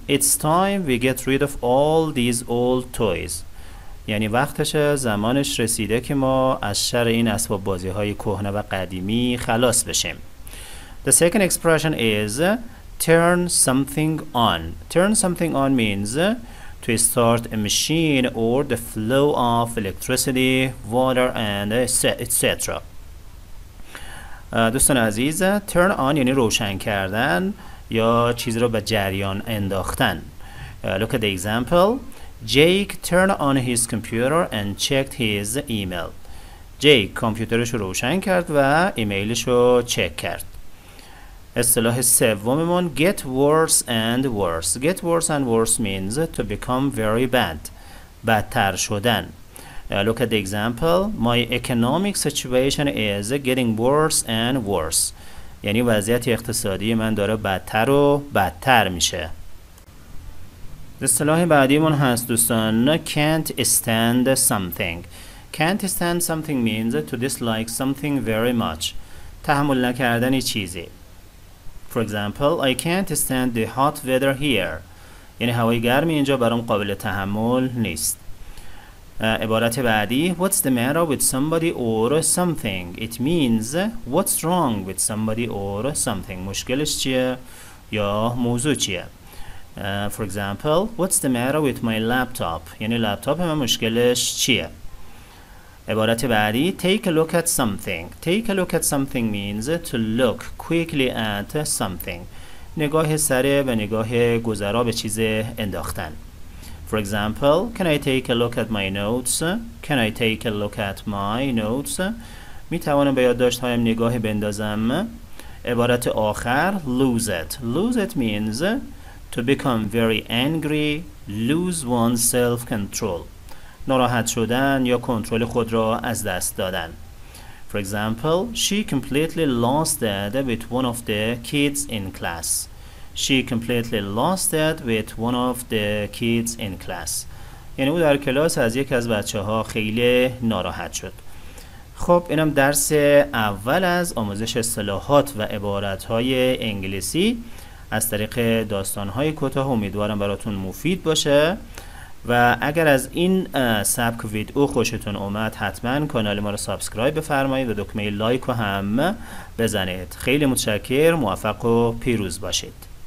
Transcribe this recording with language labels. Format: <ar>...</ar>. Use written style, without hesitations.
<en>It's time we get rid of all these old toys.</en> <fa>یعنی وقتشه، زمانش رسیده که ما از شر این اسباب بازی های کهنه و قدیمی خلاص بشیم.</fa> <en>The second expression is turn something on. Turn something on means to start a machine or the flow of electricity, water and etc.</en> <fa>دوستان عزیز، turn on یعنی روشن کردن یا چیز رو به جریان انداختن.</fa> <en>Look at the example. Jake turned on his computer and checked his email.</en> <fa>Jake کامپیوترش رو روشن کرد و ایمیلش رو چک کرد. اصطلاح سوممون</fa> <en>get worse and worse. get worse and worse means to become very bad،</en> <fa>بدتر شدن.</fa> <en>Look at the example. My economic situation is getting worse and worse.</en> <fa>یعنی وضعیت اقتصادی من داره بدتر و بدتر میشه. اصطلاح بعدیمون هست دوستان</fa> <en>can't stand something. can't stand something means to dislike something very much.</en> <fa>تحمل نکردن چیزی.</fa> <en>For example, I can't stand the hot weather here.</en> <fa>یعنی هوای گرمی اینجا برام قابل تحمل نیست. عبارت بعدی</fa> <en>What's the matter with somebody or something? It means what's wrong with somebody or something.</en> <fa>مشکلش چیه یا موضوع چیه.</fa> <en>For example, what's the matter with my laptop?</en> <fa>یعنی لپتاپ من مشکلش چیه. عبارت بعدی</fa> <en>Take a look at something. Take a look at something means to look quickly at something.</en> <fa>نگاه سره و نگاه گذرا به چیز انداختن.</fa> <en>For example, can I take a look at my notes? Can I take a look at my notes?</en> <fa>می توانم به یادداشت هایم نگاه بندازم. عبارت آخر</fa> <en>lose it. Lose it means to become very angry, lose one's self-control.</en> <fa>ناراحت شدن یا کنترل خود را از دست دادن.</fa> <en>For example, she completely lost it with one of the kids in class. She completely lost it with one of the kids in class.</en> <fa>یعنی او در کلاس از یک از بچه ها خیلی ناراحت شد. خب اینم درس اول از آموزش اصطلاحات و عبارات انگلیسی از طریق داستان‌های کوتاه. امیدوارم براتون مفید باشه و اگر از این سبک ویدئو خوشتون اومد حتما کانال ما رو سابسکرایب بفرمایید و دکمه لایک رو هم بزنید. خیلی متشکر، موفق و پیروز باشید.</fa>